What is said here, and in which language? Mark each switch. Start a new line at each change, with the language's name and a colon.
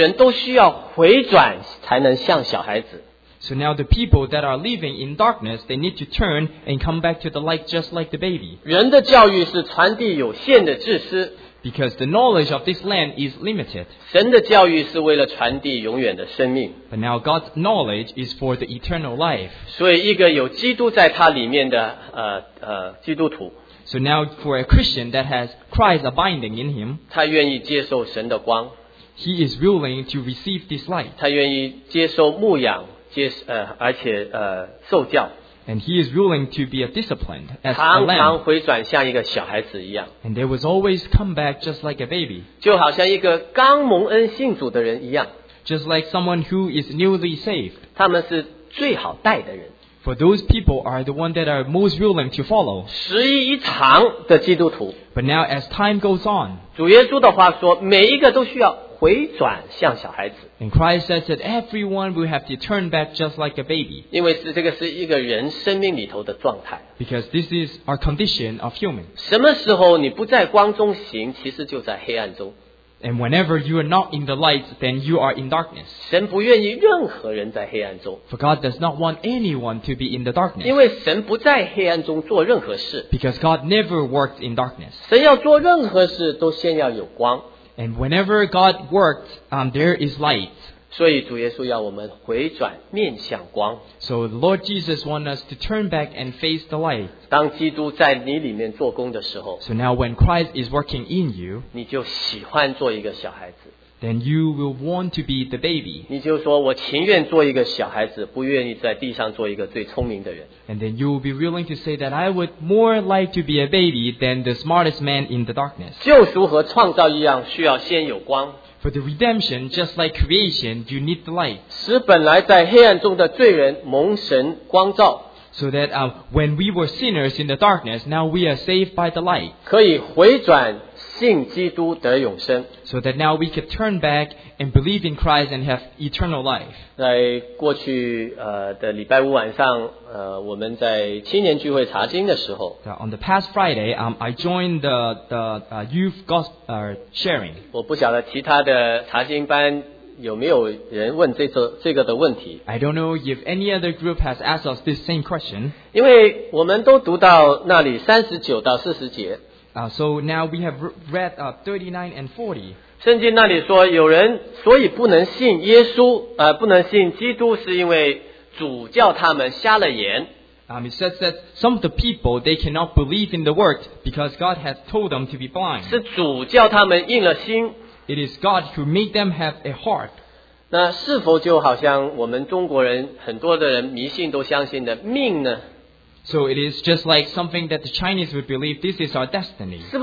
Chinese: 所以我们在黑暗中习惯的人都需要回转才能像小孩子。
English: So now the people that are living in darkness, they need to turn and come back to the light just like the baby.
Chinese: 人的教育是传递有限的知识。
English: Because the knowledge of this land is limited.
Chinese: 神的教育是为了传递永远的生命。
English: But now God's knowledge is for the eternal life.
Chinese: 所以一个有基督在他里面的, 基督徒。
English: So now for a Christian that has Christ abiding in him,
Chinese: 他愿意接受神的光。
English: He is willing to receive this light.
Chinese: 他愿意接受牧养, 而且,
English: And he is willing to be a disciplined as a lamb.
Chinese: 常常
English: And they will always come back just like a baby.
Chinese: 就好像一个刚蒙恩信主的人一样。
English: Just like someone who is newly saved.
Chinese: 他们是最好带的人。
English: For those people are the ones that are most willing to follow.
Chinese: 十一长的基督徒。
English: But now as time goes on.
Chinese: 主耶稣的话说, 每一个都需要回转向小孩子。
English: And Christ says that everyone will have to turn back just like a baby.
Chinese: 因为这个是一个人生命里头的状态。
English: Because this is our condition of human.
Chinese: 什么时候你不在光中行, 其实就在黑暗中。
English: And whenever you are not in the light, then you are in darkness.
Chinese: 神不愿意任何人在黑暗中。
English: For God does not want anyone to be in the darkness.
Chinese: 因为神不在黑暗中做任何事。
English: Because God never works in darkness.
Chinese: 神要做任何事都先要有光。
English: And whenever God worked, there is light.
Chinese: 所以主耶稣要我们回转面向光。
English: So the Lord Jesus wants us to turn back and face the light.
Chinese: 当基督在你里面做工的时候,
English: so now when Christ is working in you,
Chinese: 你就喜欢做一个小孩子。
English: Then you will want to be the baby.
Chinese: 你就说我情愿做一个小孩子, 不愿意在地上做一个最聪明的人。
English: And then you will be willing to say that I would more like to be a baby than the smartest man in the darkness.
Chinese: 救赎和创造一样, 需要先有光。
English: For the redemption, just like creation, you need the light.
Chinese: 使本来在黑暗中的罪人蒙神光照。
English: So that when we were sinners in the darkness, now we are saved by the light.
Chinese: 可以回转。信基督得永生,
English: so that now we could turn back and believe in Christ and have eternal life.
Chinese: 在过去, 的礼拜五晚上, 我们在青年聚会查经的时候,
English: on the past Friday, I joined youth gospel sharing.
Chinese: 我不晓得其他的查经班有没有人问这个的问题。
English: I don't know if any other group has asked us this same question.
Chinese: 因为我们都读到那里39到40节。
English: So now we have read 39 and 40.
Chinese: 圣经那里说有人所以不能信耶稣, 不能信基督是因为主叫他们瞎了眼。
English: It says that some of the people, they cannot believe in the word because God has told them to be blind.
Chinese: 是主叫他们硬了心。
English: It is God who made them have a heart.
Chinese: 那是否就好像我们中国人很多的人迷信都相信的命呢?
English: So it is just like something that the Chinese would believe this is our destiny.